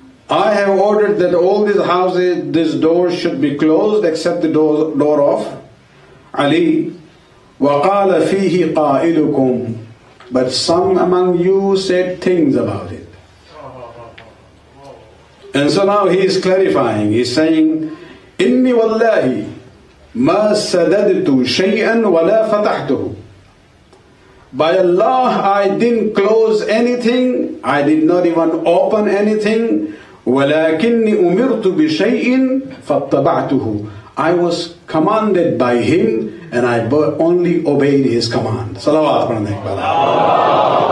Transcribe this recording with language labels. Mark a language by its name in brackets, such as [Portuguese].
[English] I have ordered that all these houses, these doors should be closed except the door of Ali. [Arabic] وَقَالَ فِيهِ قَائِلُكُمْ. [English] But some among you said things about it. And so now he is clarifying. He's saying, [Arabic] إِنِّي وَاللَّهِ مَا سَدَدْتُ شَيْئًا وَلَا فَتَحْتُهُ. [English] By Allah, I didn't close anything. I did not even open anything. [Arabic] وَلَكِنِّي أُمِرْتُ بِشَيْءٍ فَاتَّبَعْتُهُ. [English] I was commanded by him and I only obeyed his command. Salawat upon him.